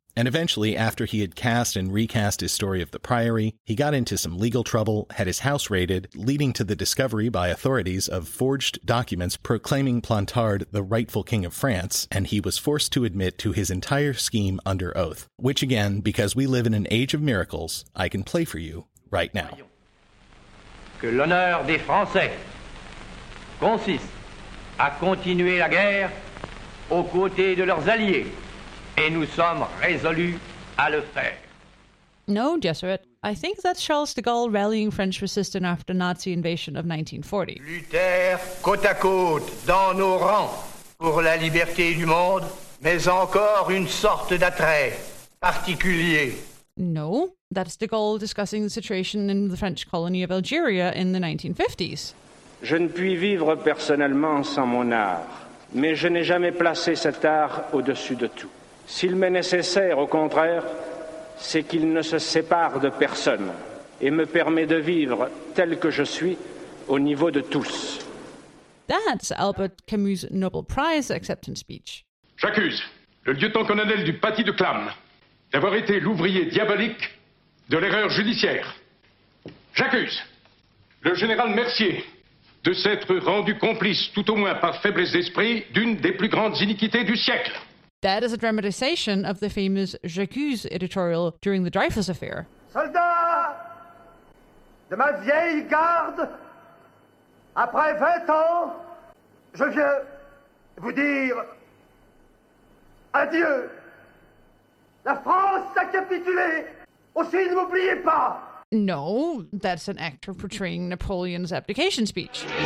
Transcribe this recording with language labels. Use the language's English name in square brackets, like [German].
[English] And eventually, after he had cast and recast his story of the Priory, he got into some legal trouble, had his house raided, leading to the discovery by authorities of forged documents proclaiming Plantard the rightful king of France, and he was forced to admit to his entire scheme under oath. Which again, because we live in an age of miracles, I can play for you right now. [French] Que l'honneur des Français consiste à continuer la guerre aux côtés de leurs alliés. Et nous sommes résolus à le faire. [English] No, Jesuit. I think that's Charles de Gaulle rallying French resistance after Nazi invasion of 1940. [French] Lutter côte à côte dans nos rangs pour la liberté du monde, mais encore une sorte d'attrait particulier. [English] No, that's de Gaulle discussing the situation in the French colony of Algeria in the 1950s. [French] Je ne puis vivre personnellement sans mon art, mais je n'ai jamais placé cet art au-dessus de tout. S'il m'est nécessaire, au contraire, c'est qu'il ne se sépare de personne et me permet de vivre tel que je suis au niveau de tous. [English] That's Albert Camus' Nobel Prize acceptance speech. [French] J'accuse le lieutenant-colonel du Paty de Clam d'avoir été l'ouvrier diabolique de l'erreur judiciaire. J'accuse le général Mercier de s'être rendu complice, tout au moins par faiblesse d'esprit, d'une des plus grandes iniquités du siècle. [English] That is a dramatization of the famous J'accuse editorial during the Dreyfus affair. [French] Soldats de ma vieille garde, après 20 ans, je viens vous dire adieu. La France a capitulé. Aussi, ne m'oubliez pas. [English] No, that's an actor portraying Napoleon's abdication speech.